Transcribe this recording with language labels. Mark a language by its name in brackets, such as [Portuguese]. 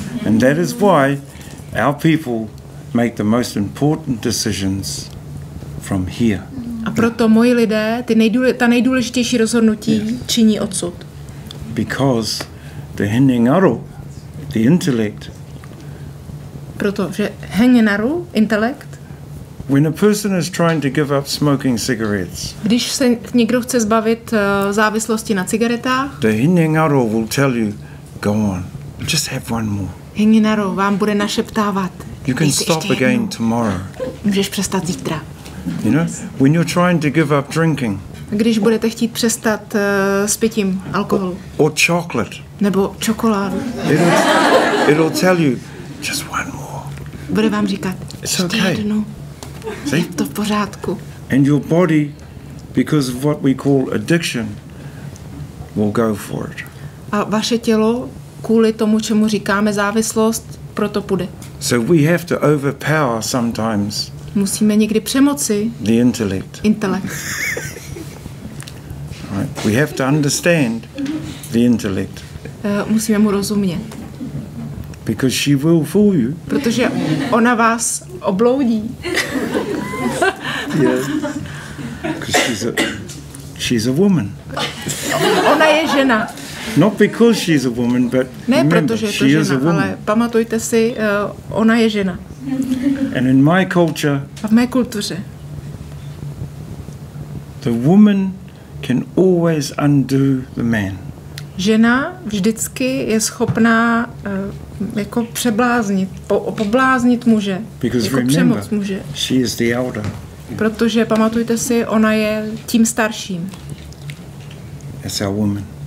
[English] And that is why our people make the most important decisions from here. [Czech] A proto moji lidé ta nejdůležitější rozhodnutí činí odsud. [English] Because the Hinengaro, the intellect. [Czech] Protože Hinengaro, intellect. [English] When a person is trying to give up smoking cigarettes. [Czech] Když se někdo chce zbavit závislosti na cigaretách. [English] The Hinengaro will tell you, go on, just have one more. [Czech] Hinengaro vám bude našeptávat. [English] You can stop again tomorrow. [Czech] Můžeš přestat zítra. [English] You know, when you're trying to give up drinking. [Czech] Když budete chtít přestat s pitím alkoholu. [English] Or chocolate. [Czech] Nebo čokoládu. [English] It'll tell you, just one more. [Czech] Bude vám říkat, ještě jednu. [English] See? [Czech] Je to v pořádku. [English] And your body, because of what we call addiction, will go for it. [Czech] A vaše tělo, kvůli tomu, čemu říkáme závislost, proto půjde. [English] So we have to overpower sometimes. [Czech] Musíme někdy přemoci. [English] The intellect. Intellect. We have to understand the intellect. [Czech] Musíme mu rozumět. [English] Because she will fool you. [Czech] Protože ona vás obloudí. [English] Yes. Because she's a woman. [Czech] Ona je žena. [English] Not because she's a woman, but [Czech] ne, [English] remember, [Czech] protože [English] she [Czech] žena, [English] is a woman. [Czech] Ale pamatujte si, ona je žena. [English] And in my culture. [Czech] A v mé kultuře. [English] the woman can always undo the man. [Czech] Žena vždycky je schopná jako přebláznit, pobláznit muže, [English] because [Czech] jako [English] remember, [Czech] přemoc muže. [English] She is the elder. [Czech] Protože pamatujte si, ona je tím starším. [English] That's our woman.